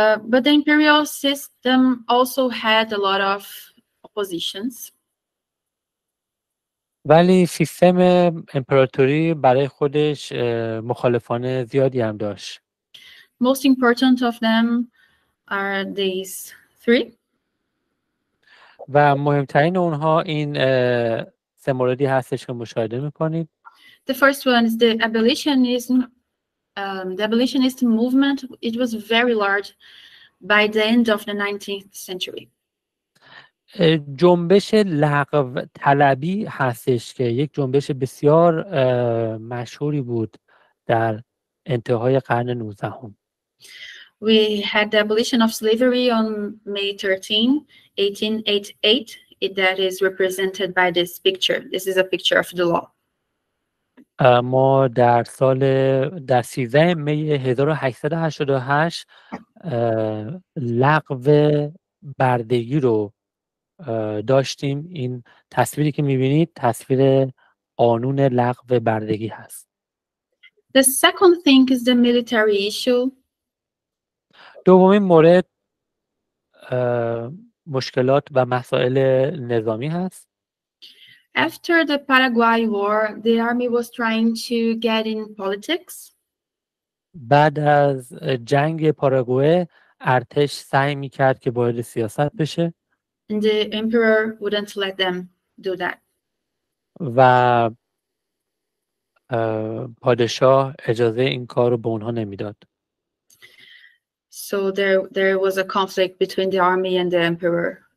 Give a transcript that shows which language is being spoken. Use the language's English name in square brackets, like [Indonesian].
[English] But the imperial system also had a lot of oppositions. [Persian] ولی سیستم امپراتوری برای خودش مخالفان زیادی هم داشت. [English] Most important of them are these three. [Persian] و مهمترین اونها این سه موردی هستش که مشاهده میکنید. [English] The first one is the abolitionism. The abolitionist movement, it was very large by the end of the 19th century. [Persian] جنبش لغو طلبی هستش که یک جنبش بسیار مشهوری بود در انتهای قرن 19 هم. [English] We had the abolition of slavery on May 13, 1888. That is represented by this picture. This is a picture of the law. [Persian] ما در سال 13 می 1888 لغو بردگی رو داشتیم. این تصویری که می‌بینید تصویر قانون لغو بردگی هست. [English] The second thing is the military issue. [Persian] دومین مورد مشکلات و مسائل نظامی هست. [English] After the Paraguay War, the army was trying to get in politics. [Persian] بعد از جنگ پاراگوئه ارتش سعی می‌کرد که وارد سیاست بشه. [English] And the emperor wouldn't let them do that. [Persian] و پادشاه اجازه این کار رو به اونها نمی‌داد. [English] So there was a conflict between the army and the emperor.